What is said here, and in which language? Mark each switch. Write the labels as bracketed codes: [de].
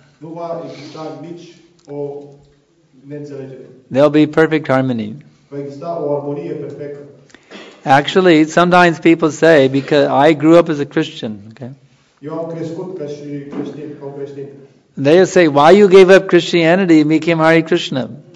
[ro] Nu va exista nici o neînțelegere. [en] There will be perfect harmony. [ro] Va exista o armonie perfectă. [en] Actually, sometimes people say, because I grew up as a Christian, okay? [ro] Eu am crescut ca și creștin, ca creștin. [en] They say, why you gave up Christianity and became Hare Krishna?